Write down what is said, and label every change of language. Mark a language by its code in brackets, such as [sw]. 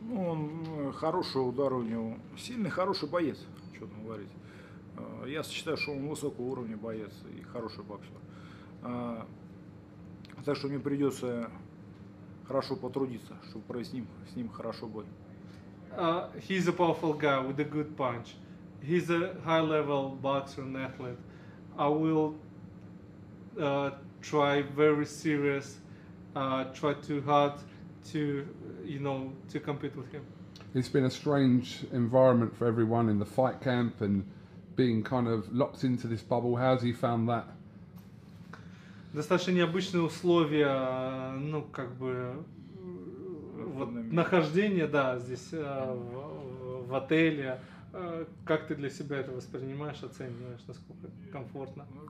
[ru] Ну, он хороший удар у него. Сильный, хороший боец, что там говорить. Я считаю, что он высокого уровня боец и хороший боксер. Так что мне придется хорошо потрудиться, чтобы провести с ним хорошо бой. [en] He's a powerful guy with a good punch. He's a high-level boxer and athlete. I will try very serious, try too hard to, you know, to compete with him. It's been a strange environment for everyone in the fight camp and being kind of locked into this bubble. How's he found that? [ru] Достаточно необычные условия, ну как бы вот нахождение, да, здесь в отеле. Как ты для себя это воспринимаешь, оцениваешь, насколько комфортно?